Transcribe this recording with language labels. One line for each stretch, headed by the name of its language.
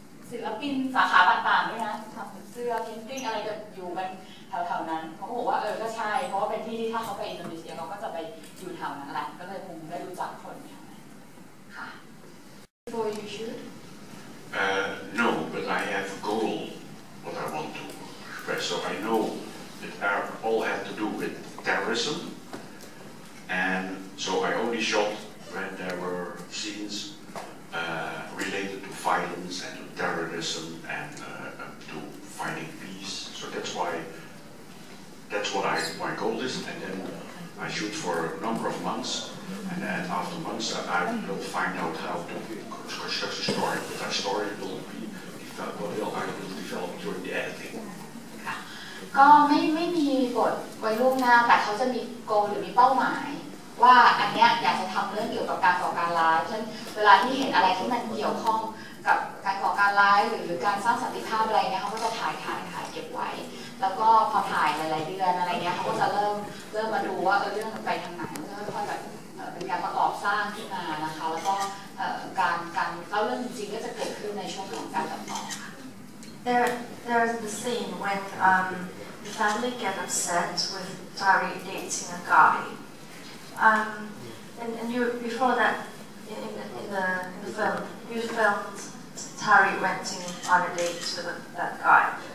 Thai: ศิลปินสาขาต่างๆด้วยนะทำเสื้อพิมพ์ติ้งอะไรก็อยู่กันแถวๆนั้นเขาบอกว่าก็ใช่เพราะว่าเป็นที่ที่ถ้าเขาไปอินโดนีเซียเขาก็จะไปอยู่แถวนั้นแหละก็เลยคงได้รู้จักคนค่ะ
English: Before you shoot No but I have a goal what I want to express so I know that all have to do with terrorism and so I only shot when there were scenesrelated to violence and to terrorism and to finding peace. So that's why, that's what I, my goal is. And then I shoot for a number of months. And then after months, I will find out how to construct a story. But that story will be developed, well, I will develop during the editing.
Thai: ก็ไม่ไม่มีกฎไว้ล่วงหน้าแต่เขาจะมี goal หรือมีเป้าหมายว่าอันเนี้ยอยากจะทำเรื่องเกี่ยวกับการก่อการร้ายเช่นเวลาที่เห็นอะไรที่มันเกี่ยวข้องกับการก่อการร้ายหรือการสร้างสันติภาพอะไรเนี้ยเขาก็จะถ่ายเก็บไว้แล้วก็พอถ่ายหลายๆเดือนอะไรเนี้ยเขาก็จะเริ่มมาดูว่าเรื่องมันไปทางไหนแล้วก็ค่อยแบบเป็นการประกอบสร้างขึ้นมานะคะแล้วก็การเล่าเรื่องจริงก็จะเกิดขึ้นในช่วงของการตัดต่อค่ะ
English: There's the scene when the family get upset with Tari dating a guyAnd you before that in the film you filmed Tari went on a date with that guy.